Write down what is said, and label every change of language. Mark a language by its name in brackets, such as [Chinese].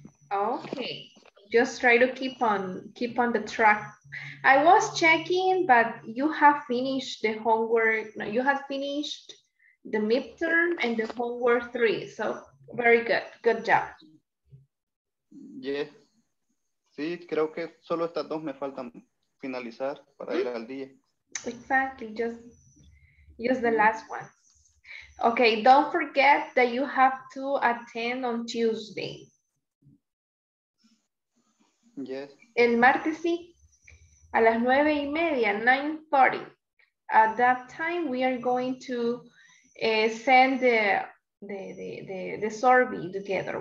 [English] Okay, just try to keep on the track. I was checking, but you have finished the homework. No, you have finished the midterm and the homework 3. So very good. Good job. Yeah. [Spanish] Sí, creo que solo estas dos me faltan finalizar para ir al día. [English] Exactly. Just use the last one. Okay, don't forget that you have to attend on Tuesday. Yes. [Spanish] El martes sí, a las 9:30, 9:30. [English] At that time, we are going to send the survey together.